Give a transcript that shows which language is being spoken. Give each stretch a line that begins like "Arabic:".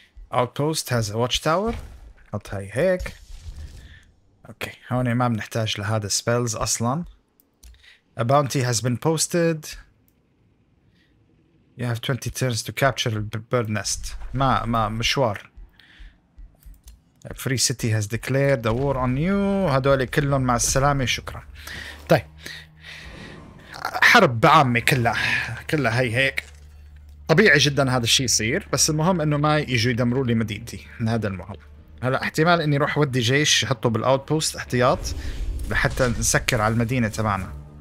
English: Outpost has a watchtower.
Arabic: حط هاي هيك. اوكي هوني ما بنحتاج لهذا spells اصلا.
English: A bounty has been posted. You have 20 turns to capture the bird nest.
Arabic: ما مشوار.
English: A free city has declared a war on you.
Arabic: هدولي كلهم مع السلامة شكرا. طيب حرب بعامة كلها هاي هيك. طبيعي جدا هذا الشيء يصير, بس المهم انه ما يجوا يدمروا لي مدينتي. هذا المهم. هلا احتمال اني روح ودي جيش حطه بالاوت بوست احتياط لحتى نسكر على المدينه تبعنا.